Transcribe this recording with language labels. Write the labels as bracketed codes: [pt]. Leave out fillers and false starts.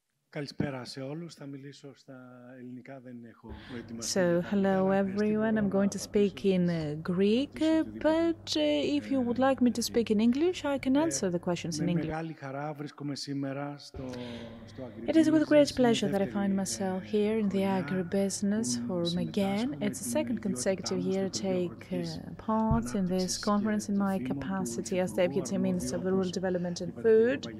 [el] Καλησπέρα σε όλους. Θα μιλήσω στα ελληνικά. Δεν έχω ετοιμαστεί. [en] So, hello everyone. I'm going to speak in Greek, but if you would like me to speak in English, I can answer the questions in English. [el] Με μεγάλη χαρά βρίσκομαι σήμερα στο [en] AgriBusiness. It is with great pleasure that I find myself here in the AgriBusiness Forum again. It's the second consecutive year to take part in this conference in my capacity as Deputy Minister of Rural Development and Food.